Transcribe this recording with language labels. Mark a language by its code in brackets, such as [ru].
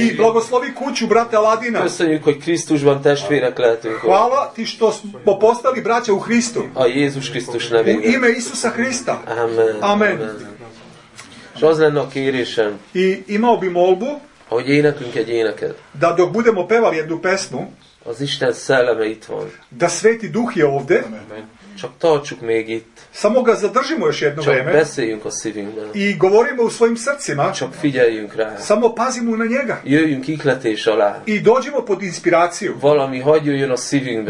[sr] I blagoslovi kuću, brate Aladina. [hu] Köszönjük, hogy Krisztusban testvérek lehetünk. [sr] Hvala ti što smo postali braća u Hristu. [hu] A Jézus Krisztus nevében. [sr] U ime Isusa Hrista. [hu] Amen. [sr] Amen. [hu] És az lenne a kérésem. [sr] I imao bi molbu. [hu] Hogy énekünk egy éneket. [sr] Da dok budemo pevali jednu pesmu. [hu] Az Isten szelleme itt van. [sr] Da Sveti Duh je ovde. [hu] Amen. Csak tartsuk még itt. [sr] Samoga zadržimo još jedno vreme. [hu] Čak beszéljünk a szívünkben. [sr] I govorimo u svojim srcima. [hu] Čak figyeljünk rá. [sr] Samo pazimo na njega. [hu] Jöjjünk ihletés alá. [sr] I dođimo pod inspiráciu. [hu] Valami hagyjön a szívünkben.